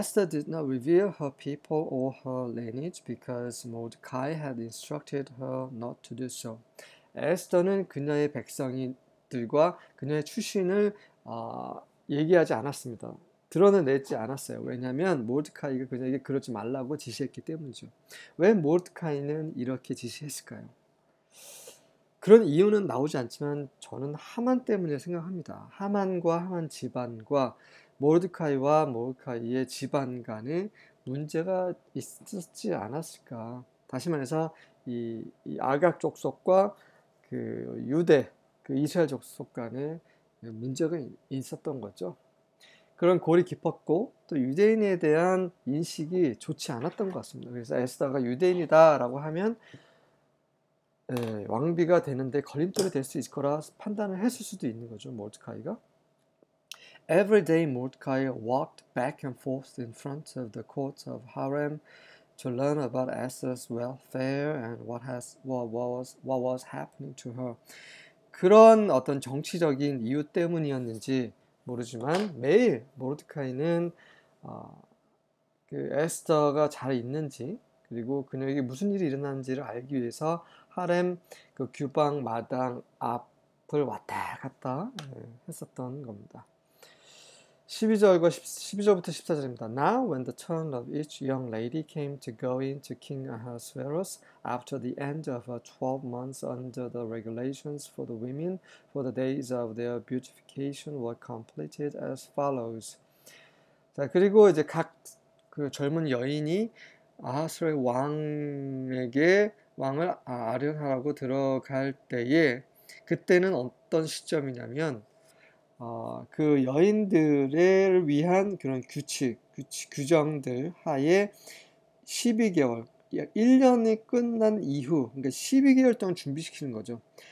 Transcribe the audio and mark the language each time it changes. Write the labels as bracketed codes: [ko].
[en] Esther did not reveal her people or her lineage because Mordecai had instructed her not to do so. [ko] 에스터는 그녀의 백성인 들과 그녀의 출신을 얘기하지 않았습니다. 드러내지 않았어요. 왜냐하면 모르드카이가 그녀에게 그러지 말라고 지시했기 때문이죠. 왜 모르드카이는 이렇게 지시했을까요? 그런 이유는 나오지 않지만 저는 하만 때문에 생각합니다. 하만과 하만 집안과 모르드카이와 모르드카이의 집안 간에 문제가 있었지 않았을까. 다시 말해서 이 아각 족속과 그 유대 그 이스라엘 족속 간에 문제가 있었던 거죠. 그런 골이 깊었고 또 유대인에 대한 인식이 좋지 않았던 것 같습니다. 그래서 에스더가 유대인이다 라고 하면 왕비가 되는데 걸림돌이 될 수 있을 거라 판단을 했을 수도 있는 거죠. 모르드카이가 [en] Every day Mordecai walked back and forth in front of the court of Haran to learn about Esther's welfare and what was happening to her. [ko] 그런 어떤 정치적인 이유 때문이었는지 모르지만 매일 모르드카이는 그 에스터가 잘 있는지 그리고 그녀에게 무슨 일이 일어났는지를 알기 위해서 하렘 그 규방 마당 앞을 왔다 갔다 했었던 겁니다. 12절부터 14절입니다. [en] Now when the turn of each young lady came to go in to King Ahasuerus after the end of her 12 months under the regulations for the women, for the days of their beautification were completed as follows. [ko] 자, 그리고 이제 각 그 젊은 여인이 아하수에 왕에게 왕을 아련하라고 들어갈 때에 그때는 어떤 시점이냐면 그 여인들을 위한 그런 규정들 하에 12개월, 1년이 끝난 이후, 그러니까 12개월 동안 준비시키는 거죠.